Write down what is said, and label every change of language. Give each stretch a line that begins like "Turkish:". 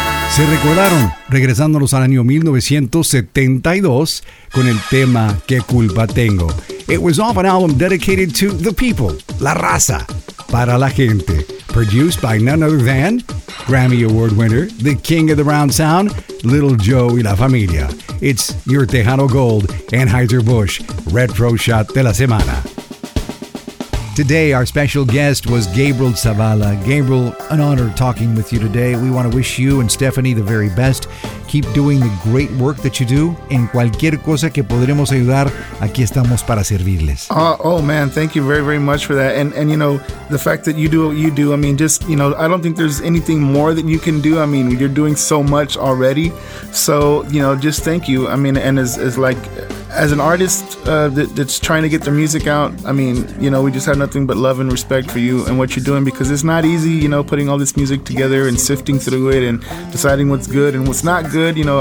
Spanish: Se recordaron, regresándonos al año 1972, con el tema ¿Qué culpa tengo?
English: It was off an album dedicated to the people,
Spanish: la raza, para la gente.
English: Produced by none other than Grammy Award winner, the king of the round sound, Little Joe y la familia. It's your Tejano Gold, Anheuser-Busch, Retro Shot de la Semana. Today, our special guest was Gabriel Zavala. Gabriel, an honor talking with you today. We want to wish you and Stephanie the very best. Keep doing the great work that you do.
Spanish: En cualquier cosa que podremos ayudar, aquí estamos para servirles.
English: Oh, man, thank you very, very much for that. And you know, the fact that you do what you do, I mean, just, you know, I don't think there's anything more that you can do. I mean, you're doing so much already. So, you know, just thank you. I mean, and as like, as an artist that's trying to get their music out, I mean, you know, we just have nothing but love and respect for you and what you're doing, because it's not easy, you know, putting all this music together and sifting through it and deciding what's good and what's not good, you know.